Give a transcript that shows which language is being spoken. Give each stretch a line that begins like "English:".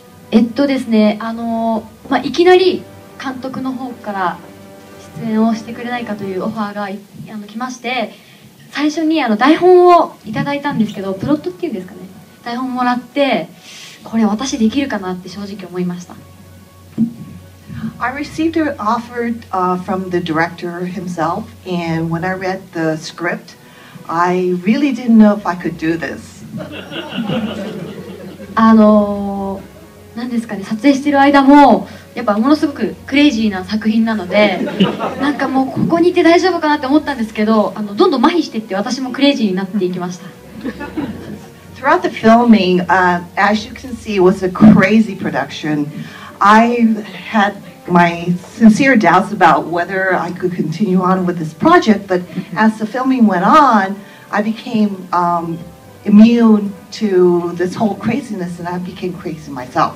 Japanese: いきなり監督の方から出演をしてくれないかというオファーが来まして、最初に台本をいただいたんですけど、プロットっていうんですかね、台本もらって、これ私できるかなって正直思いました。
English: I received an offer from the director himself, and when I read the script, I really didn't know if I could do this.
Japanese: なんですかね、撮影している間もやっぱものすごくクレイジーな作品なので、なんかもうここにいて大丈夫かなって思ったんですけど、どんどん麻痺してって私もクレイジーになっていきました。
English: throughout the filming, as you can see, it was a crazy production. I had my sincere doubts about whether I could continue on with this project, but as the filming went on, I became immune to this whole craziness, and I became crazy myself.